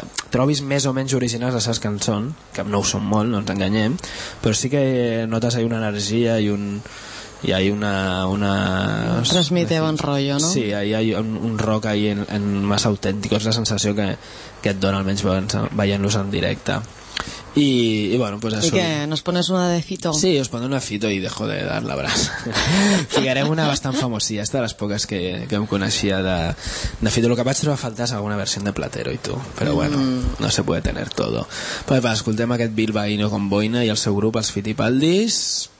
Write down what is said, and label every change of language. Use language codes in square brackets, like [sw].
[ca] Trobis més o menys originals les seves cançons, que no ho són molt, no ens enganyem, però sí que notes ahí una energia i un... hi ha una... transmite bon rotllo, no? Sí, hi ha un rock ahí en massa autèntic, és la sensació que et dona almenys veient-los en directe. I bueno, pues això. [es] I que nos pones una de Fito. Sí, os pongo una Fito i dejo de dar la brasa. [ca] Ficarem una bastant famosilla, esta de les poques que em coneixia de Fito. Lo que vaig trobar a faltar és alguna versió de Platero i tu, però bueno, [es] no se puede tener todo. [ca] Pues va, escoltem aquest Bilbaíno con boina i el seu grup, els Fitipaldis,